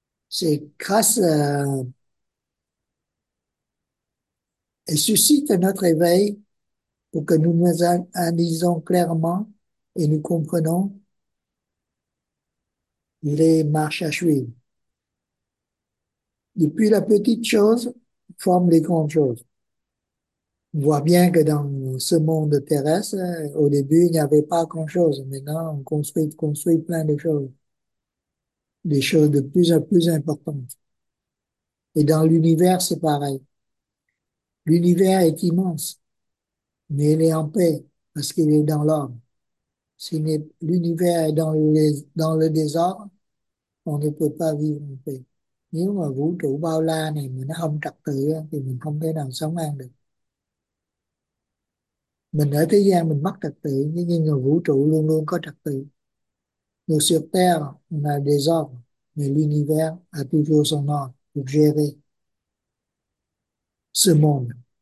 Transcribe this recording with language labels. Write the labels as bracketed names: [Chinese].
[French] Sikhasa et suscite notre éveil pour que nous nous analysons clairement et nous comprenons les marches à suivre. Depuis la petite chose forme les grandes choses. On voit bien que dans ce monde terrestre, au début, il n'y avait pas grand-chose. Maintenant, on construit plein de choses. Des choses de plus en plus importantes. Et dans l'univers, c'est pareil. L'univers est immense, mais il est en paix parce qu'il est dans l'ordre. Si l'univers est dans le désordre, on ne peut pas vivre en paix. [Vietnamese] Nếu mà vũ trụ bao la này mà nó không trật tự thì mình không thể nào sống an được. Mình ở thế gian mình mất trật tự, nhưng mà vũ trụ luôn luôn có trật tự. [French] Nous sur Terre, on a des ordres, mais l'univers a toujours son ordre pour gérer ce monde.